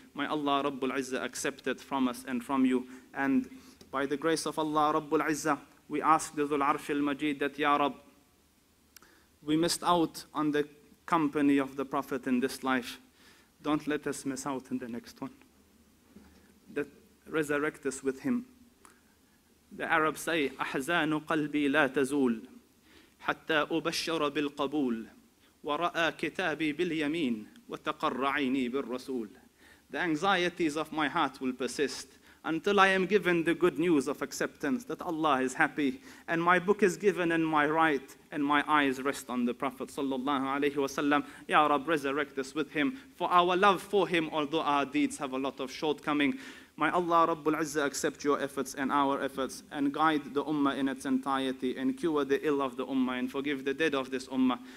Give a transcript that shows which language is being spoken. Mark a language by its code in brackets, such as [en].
[en] May Allah Rabbul Izzah accept it from us and from you. And by the grace of Allah Rabbul Izzah, we ask the Dhul Arsh al-Majid that Ya Rab, we missed out on the company of the Prophet in this life. Don't let us miss out in the next one. Resurrect us with him. The Arabs say, [ar] أحزان قلبي لا تزول حتى أبشر بالقبول ورأى كتابي باليمين وتقر عيني بالرسول. [en] The anxieties of my heart will persist until I am given the good news of acceptance that Allah is happy and my book is given in my right and my eyes rest on the Prophet sallallahu alayhi wa sallam. Ya Rab, resurrect us with him. For our love for him, although our deeds have a lot of shortcoming, may Allah Rabbul Izzah accept your efforts and our efforts and guide the ummah in its entirety and cure the ill of the ummah and forgive the dead of this ummah.